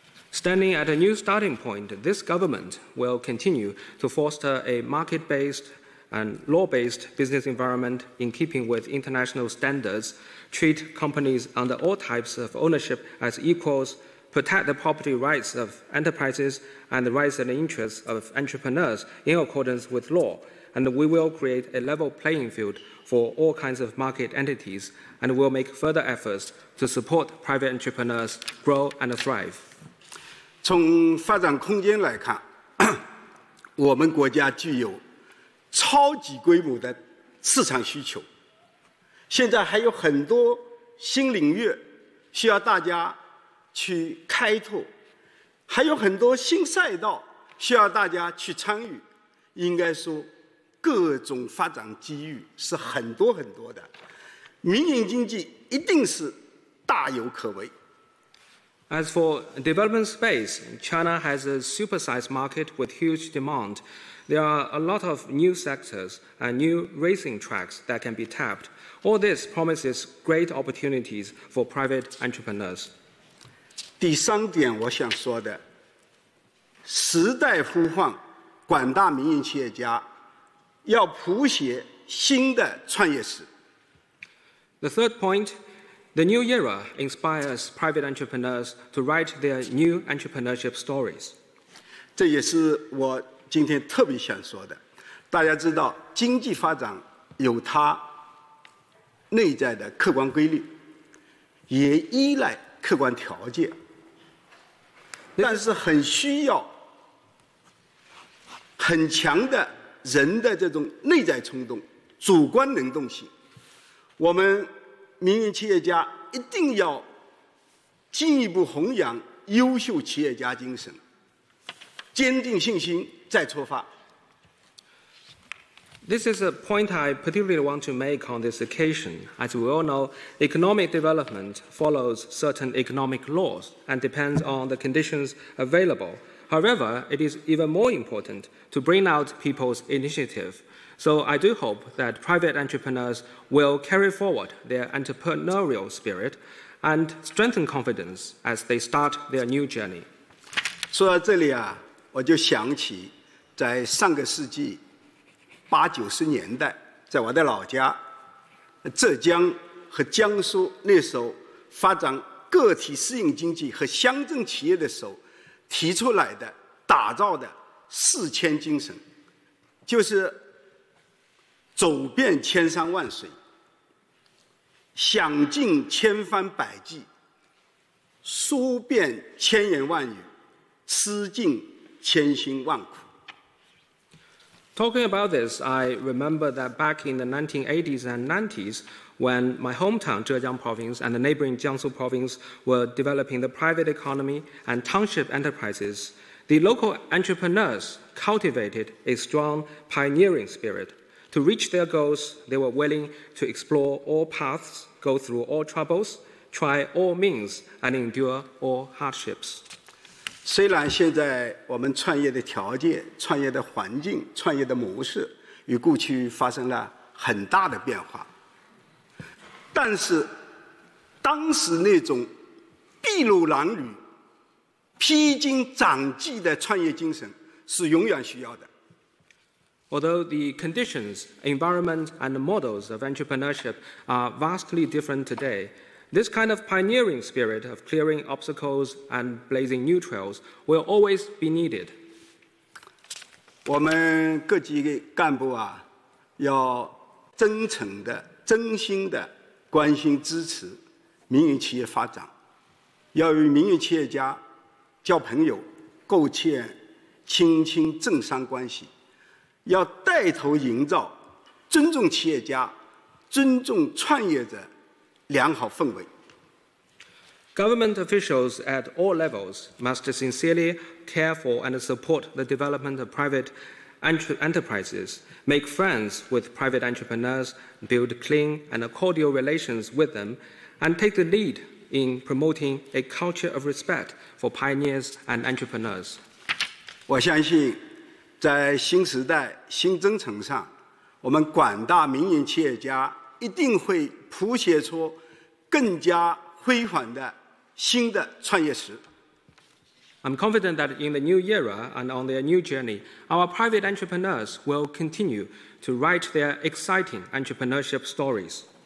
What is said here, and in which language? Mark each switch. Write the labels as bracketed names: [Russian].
[English] Standing at a new starting point, this government will continue to foster a market-based and law-based business environment in keeping with international standards, treat companies under all types of ownership as equals, protect the property rights of enterprises and the rights and interests of entrepreneurs in accordance with law, and we will create a level playing field for all kinds of market entities and will make further efforts to support private entrepreneurs grow and thrive. [Chinese] 从发展空间来看，我们国家具有超级规模的市场需求，现在还有很多新领域需要大家去开拓，还有很多新赛道需要大家去参与，应该说各种发展机遇是很多很多的，民营经济一定是大有可为。 [English] As for development space, China has a supersized market with huge demand. There are a lot of new sectors and new racing tracks that can be tapped. All this promises great opportunities for private entrepreneurs. [Chinese] 第三点我想说的，时代呼唤广大民营企业家要谱写新的创业史。 [English] The third point,The new era inspires private entrepreneurs to write their new entrepreneurship stories. [Chinese] 这也是我今天特别想说的。大家知道，经济发展有它内在的客观规律，也依赖客观条件，但是很需要很强的人的这种内在冲动、主观能动性。我们民营企业家一定要进一步弘扬优秀企业家精神，坚定信心再出发。 [English] This is a point I particularly want to make on this occasion. As we all know, economic development follows certain economic laws and depends on the conditions available. However, it is even more important to bring out people's initiative. So I do hope that private entrepreneurs will carry forward their entrepreneurial spirit and strengthen confidence as they start their new journey. [Chinese] 说到这里啊，我就想起在上个世纪八九十年代，在我的老家浙江和江苏，那时候发展个体私营经济和乡镇企业的时候提出来的、打造的四千精神，就是走遍千山万水，想尽千方百计，说遍千言万语，吃尽千辛万苦。 [English] Talking about this, I remember that back in the 1980s and 90s, when my hometown Zhejiang Province and the neighboring Jiangsu Province were developing the private economy and township enterprises, the local entrepreneurs cultivated a strong pioneering spirit. To reach their goals, they were willing to explore all paths, go through all troubles, try all means, and endure all hardships. [Chinese] 虽然现在我们创业的条件、创业的环境、创业的模式与过去发生了很大的变化，但是当时那种筚路蓝缕、披荆斩棘的创业精神是永远需要的。 [English] Although the conditions, environment, and models of entrepreneurship are vastly different today,This kind of pioneering spirit of clearing obstacles and blazing new trails will always be needed. [Chinese] 我们各级干部啊，要真诚的、真心的关心支持民营企业发展，要与民营企业家交朋友，构建亲亲政商关系，要带头营造尊重企业家、尊重创业者良好氛围。 [English] Government officials at all levels must sincerely care for and support the development of private enterprises, make friends with private entrepreneurs, build clean and cordial relations with them, and take the lead in promoting a culture of respect for pioneers and entrepreneurs. [Chinese] 我相信在新时代新征程上，我们广大民营企业家一定会谱写出更加辉煌的新的创业史。 [English] I'm confident that in the new era and on their new journey, our private entrepreneurs will continue to write their exciting entrepreneurship stories.